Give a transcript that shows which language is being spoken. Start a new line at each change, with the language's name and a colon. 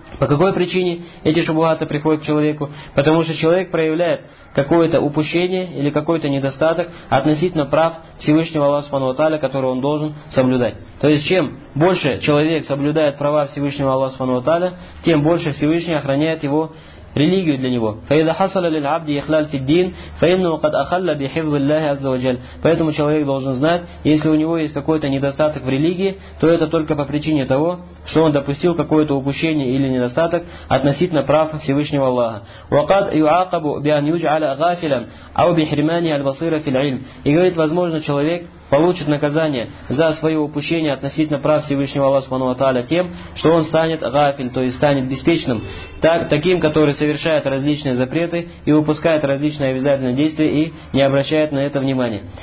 Russian: По какой причине эти шубухаты приходят к человеку? Потому что человек проявляет какое-то упущение или какой-то недостаток относительно прав Всевышнего Аллаха Субхану ва Тааля, которые он должен соблюдать. То есть чем больше человек соблюдает права Всевышнего Аллаха Субхану ва Тааля, тем больше Всевышний охраняет его религию для него.
Arabic: فإذا حصل للعبد إخلال في الدين فإنه قد أخل بحفظ الله عز وجل.
Russian: Поэтому человек должен знать, если у него есть какой-то недостаток в религии, то это только по причине того, что он допустил какое-то упущение или недостаток относительно прав Всевышнего Аллаха.
Arabic: وقد يعاقب بأن يجعل غافلا أو بحرمانه البصيرة في العلم.
Russian: И говорит, возможно, человек получит наказание за свое упущение относительно прав Всевышнего Аллаха Субхану ва Тааля тем, что он станет гафиль, то есть станет беспечным, таким, который совершает различные запреты и упускает различные обязательные действия и не обращает на это внимания.